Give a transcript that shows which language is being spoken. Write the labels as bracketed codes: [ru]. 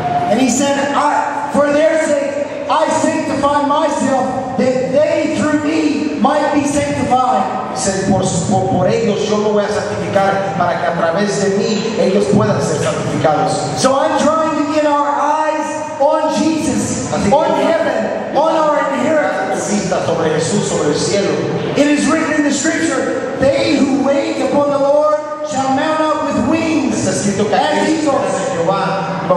[en] And he said, for their sake, I sanctify myself that they through me might be sanctified. [es] Dice, por ellos yo me voy a santificar para que a través de mí ellos puedan ser santificados. [en] So I'm trying to get our eyes on Jesus, on heaven, on our inheritance. [es] Sobre Jesús, sobre el cielo. [en] It is written in the scripture, they who wait upon the Lord shall mount up with wings as eagles.